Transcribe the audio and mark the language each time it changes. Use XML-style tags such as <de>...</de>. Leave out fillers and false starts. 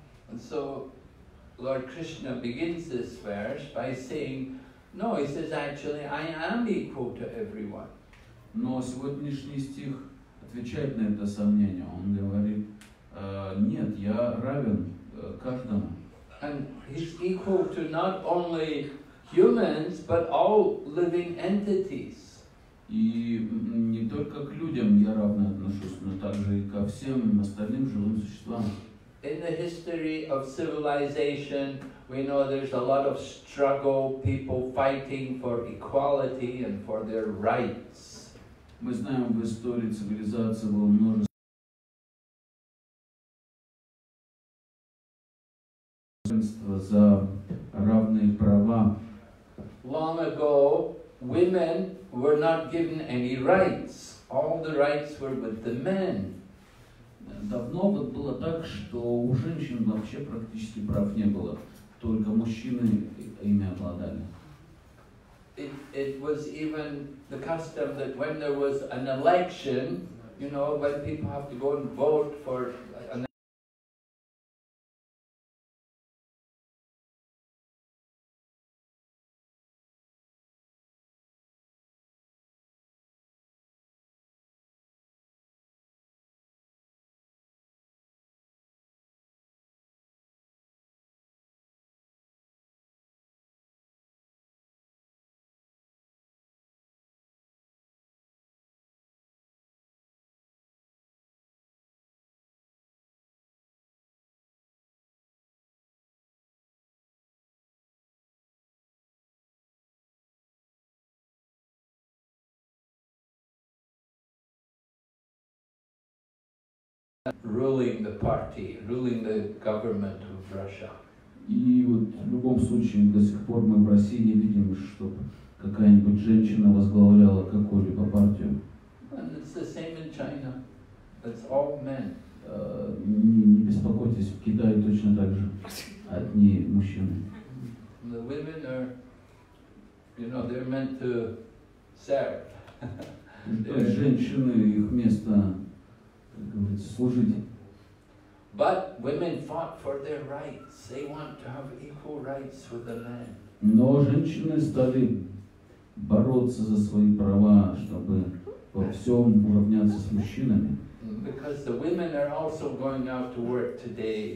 <en>And so Lord Krishna begins this verse by saying, no, he says actually I am equal to everyone.</en> <ru>Но сегодняшний стих отвечает на это сомнение. Он говорит, нет, я равен каждому.</ru> <en>And he's equal to not only humans, but all living entities.</en> <ru>И не только к людям я равно отношусь, но также и ко всем остальным живым существам.</ru> <en>In the history of civilization, we know there's a lot of struggle, people fighting for equality and for their rights.</en> <ru>Мы знаем, в истории цивилизации было множество за равные права.</ru> <en>Long ago, women were not given any rights. All the rights were with the men.</en> <ru>Давно вот было так, что у женщин вообще практически прав не было, только мужчины ими обладали.</ru> <en>It was even the custom that when there was an election, you know, when people have to go and vote for an ruling the party, ruling the government of Russia.</en> <ru>И вот в любом случае до сих пор мы в России не видим, что какая-нибудь женщина возглавляла какую-либо партию.</ru> <en>And it's the same in China. It's all men.</en> <ru>Не беспокойтесь, в Китае точно так же. Одни мужчины.</ru> <en>The women are, you know, they're meant to serve.</en> <ru>То есть женщины, их место, как говорится, служить.</ru> <en>But women fought for their rights. They want to have equal rights with the men.</en> <ru>Но женщины стали бороться за свои права, чтобы во всем уравняться с мужчинами.</ru> <en>Because the women are also going out to work today.</en>